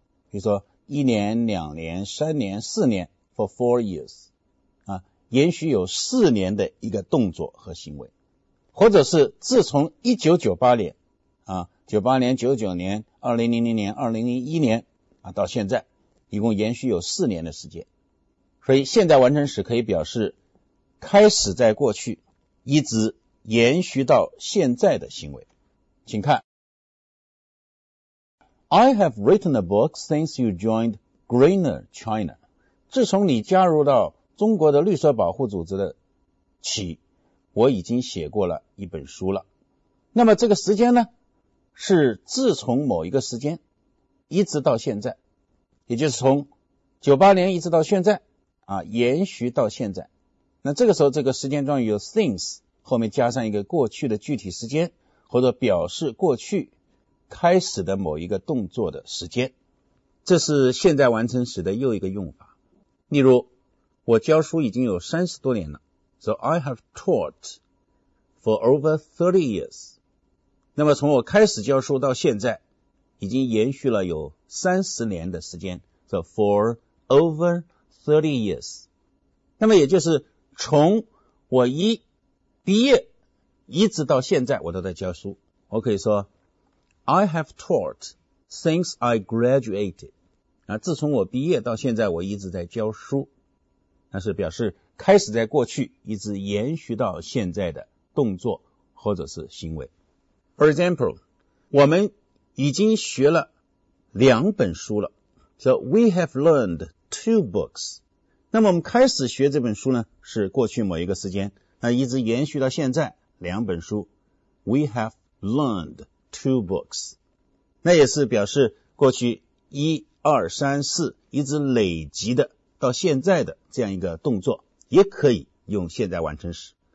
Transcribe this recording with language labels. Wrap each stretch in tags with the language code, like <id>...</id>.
<zh>比如说一年、两年、三年、四年</zh> <en>for 4 years</en> <zh>啊，延续有4年的一个动作和行为，或者是自从1998年啊，98年、99年、2000年、2001年啊，到现在一共延续有4年的时间，所以现在完成时可以表示开始在过去一直延续到现在的行为，请看。</zh> <en>I have written a book since you joined Greener China.</en> <zh>自从你加入到中国的绿色保护组织的起，我已经写过了一本书了。那么这个时间呢，是自从某一个时间，一直到现在，也就是从98年一直到现在啊，延续到现在。那这个时候这个时间状语有 since 后面加上一个过去的具体时间，或者表示过去开始的某一个动作的时间，这是现在完成时的又一个用法。例如我教书已经有30多年了，</zh> <en>So I have taught for over 30 years。</en> <zh>那么从我开始教书到现在已经延续了有30年的时间，</zh> <en>So for over 30 years。</en> <zh>那么也就是从我一毕业一直到现在我都在教书。我可以说</zh> <en>I have taught since I graduated，</en> <zh>啊，自从我毕业到现在我一直在教书，那是表示开始在过去一直延续到现在的动作或者是行为。</zh> <en>For example，</en> <zh>我们已经学了两本书了，</zh> <en>So we have learned two books。</en> <zh>那么我们开始学这本书呢，是过去某一个时间，那一直延续到现在，两本书，</zh> <en>We have learned two books。</en> <zh>那也是表示过去一二三四一直累积的到现在的这样一个动作，也可以用现在完成时。</zh>